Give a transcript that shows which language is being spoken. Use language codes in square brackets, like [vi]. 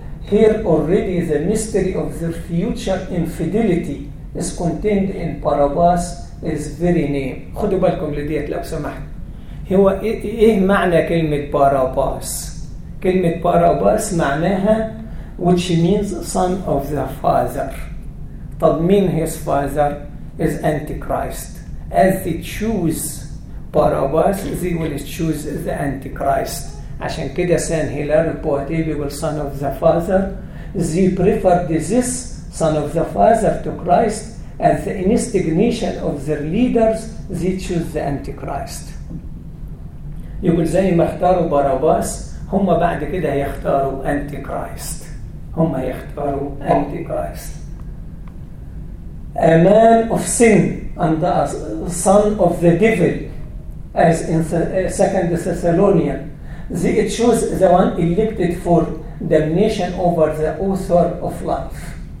[en] Here already the mystery of their future infidelity is contained in Barabbas' very name. [ar] خدوا بالكم لديت لو سمحت. هو ايه معنى كلمة باراباس؟ كلمة باراباس معناها [en] which means son of the father. [ar] طب مين [en] his father is Antichrist. As they choose Barabbas, they will choose the Antichrist. [ar] عشان كده سان هيلار بواتي بيقول [en] son of the father. They preferred this son of the father to Christ. As the instigation of their leaders, they choose the Antichrist. [ar] يقول زي ما اختاروا باراباس هم بعد كده هيختاروا Antichrist. هم هيختاروا Antichrist. [en] A man of sin and a son of the devil, as in 2 Thessalonians, they chose the one elected for damnation over the author of life.